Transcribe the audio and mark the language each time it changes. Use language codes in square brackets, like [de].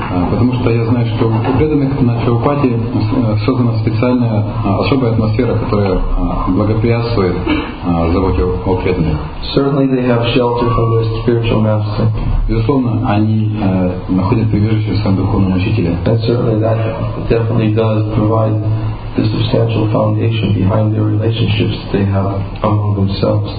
[ru] Потому что я знаю, что у преданных на Чхопати создана специальная особая атмосфера, которая благоприятствует заботе о преданных. [en] Certainly they have shelter from their spiritual master. [ru] Безусловно, они находят прибежище в своем духовном учителе. [en] And certainly that definitely does provide the substantial foundation behind the relationships they have among themselves.